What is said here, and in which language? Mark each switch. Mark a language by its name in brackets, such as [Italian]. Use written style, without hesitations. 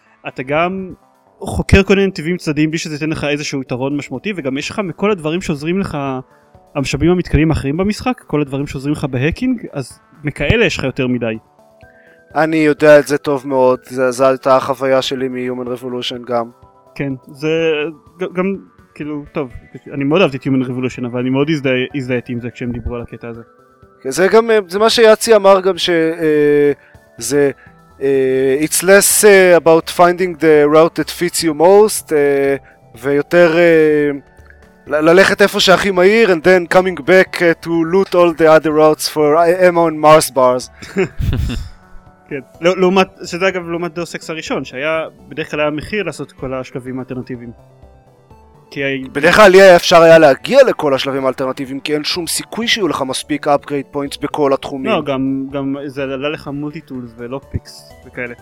[Hebrew] אתה גם חוקר כל מיני נתיבים צדדיים בלי שזה ייתן לך איזשהו יתרון משמעותי, וגם יש לך מכל הדברים שעוזרים לך, המשאבים המתקלים האחרים במשחק, כל הדברים שעוזרים לך בהקינג, אז מכאלה יש לך יותר מדי. אני יודע את זה טוב מאוד, זו הייתה החוויה שלי מ-Human Revolution גם. כן, זה גם, כאילו, טוב, אני מאוד אהבתי את Human Revolution, אבל אני מאוד הזדהיתי עם זה כשהם דיברו על הקטע הזה. זה גם, זה מה שיאצי אמר גם, שזה, [English] it's less about finding the route that fits you most, [Hebrew] ויותר ללכת איפה שהכי מהיר, [English] and then coming back to loot all the other routes for ammo and Mars bars. [Hebrew] כן, לעומת, שזה אגב לעומת דאוס אקס הראשון, שהיה, בדרך כלל היה מחיר לעשות כל השלבים האלטרנטיביים. בדרך כלל היה אפשר היה להגיע לכל השלבים האלטרנטיביים, כי אין שום סיכוי שיהיו לך מספיק upgrade points בכל התחומים. לא, גם זה עלה לך multi-tools ולוקפיקס וכאלה.